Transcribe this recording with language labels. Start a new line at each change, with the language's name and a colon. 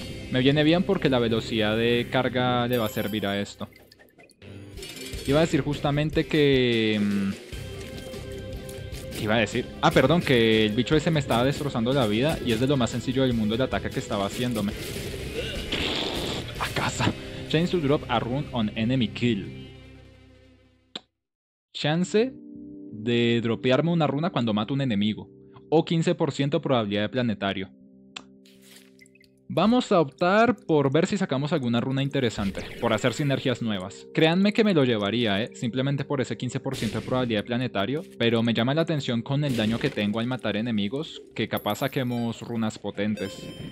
Spanish: Me viene bien porque la velocidad de carga le va a servir a esto. Iba a decir justamente que... ¿Qué iba a decir? Ah, perdón, que el bicho ese me estaba destrozando la vida y es de lo más sencillo del mundo el ataque que estaba haciéndome. ¡A casa!
English: Chance to drop a rune on enemy kill.
Spanish: Chance de dropearme una runa cuando mato un enemigo. O 15% probabilidad de planetario. Vamos a optar por ver si sacamos alguna runa interesante, por hacer sinergias nuevas. Créanme que me lo llevaría, simplemente por ese 15% de probabilidad de planetario, pero me llama la atención con el daño que tengo al matar enemigos, que capaz saquemos runas potentes.